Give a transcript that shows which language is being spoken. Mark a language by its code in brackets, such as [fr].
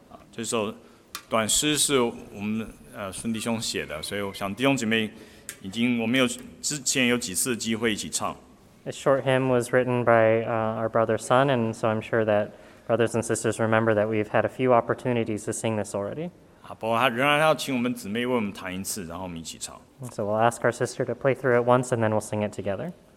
[zh] 这首短诗是我们孙弟兄写的，所以我想弟兄姐妹已经我们有之前有几次机会一起唱。 [en] A short hymn was written by our brother Sun, and so I'm sure that brothers and sisters remember that we've had a few opportunities to sing this already. [zh] 不过他仍然要请我们姊妹为我们弹一次，然后我们一起唱。 [en] So we'll ask our sister to play through it once and then we'll sing it together.